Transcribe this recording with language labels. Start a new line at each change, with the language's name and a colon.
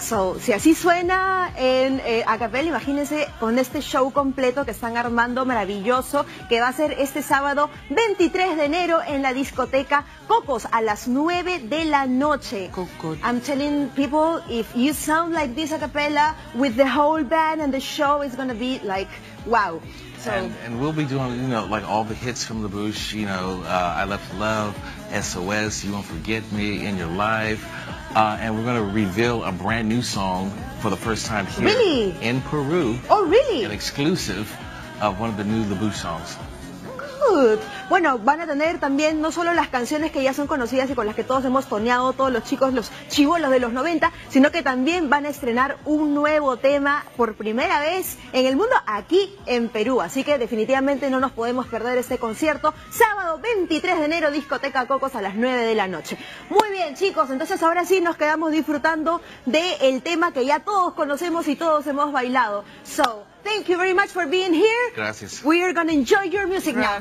English: So,
Spanish: si así suena en a capela, imagínense con este show completo que están armando, maravilloso, que va a ser este sábado 23 de enero en la discoteca Cocos a las 9 de la noche. Cocos.
English: I'm telling people, if you sound like this a capela with the whole band and the show, it's going to be like, wow. So. And we'll be doing, you know, like all the hits from the Bush, you know, I Left Love, SOS, You Won't Forget Me, In Your Life. And we're going to reveal a brand new song for the first time here. Really? In Peru. Oh, really? An exclusive of one of the new Bush songs. Good.
Spanish: Bueno, van a tener también no solo las canciones que ya son conocidas y con las que todos hemos toneado, todos los chicos, los chibolos de los 90, sino que también van a estrenar un nuevo tema por primera vez en el mundo aquí en Perú. Así que definitivamente no nos podemos perder este concierto. Sábado 23 de enero, discoteca Cocos a las 9 de la noche. Muy bien, chicos, entonces ahora sí nos quedamos disfrutando del tema que ya todos conocemos y todos hemos bailado.
English: So, thank you very much for being here.
Spanish: Gracias.
English: We are going to enjoy your music now.